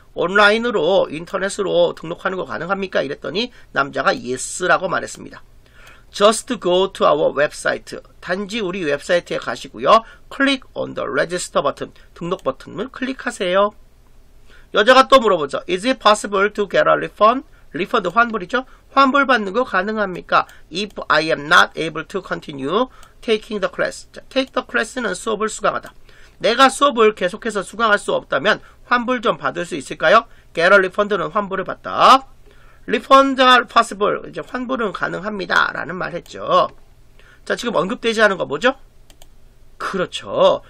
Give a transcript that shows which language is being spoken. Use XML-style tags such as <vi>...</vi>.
<ko>온라인으로, 인터넷으로 등록하는 거 가능합니까? 이랬더니 남자가 yes라고 말했습니다.</ko> <en>Just go to our website.</en> <ko>단지 우리 웹사이트에 가시고요.</ko> <en>Click on the register button.</en> <ko>등록 버튼을 클릭하세요. 여자가 또 물어보죠.</ko> <en>Is it possible to get a refund? Refund</en> <ko>환불이죠. 환불받는 거 가능합니까?</ko> <en>If I am not able to continue taking the class.</en> <ko>자,</ko> <en>take the class</en> <ko>는 수업을 수강하다. 내가 수업을 계속해서 수강할 수 없다면 환불 좀 받을 수 있을까요?</ko> <en>Get a refund는</en> <ko>환불을 받다.</ko> <en>Refund are possible.</en> <ko>이제 환불은 가능합니다. 라는 말 했죠. 자, 지금 언급되지 않은 거 뭐죠? 그렇죠.</ko>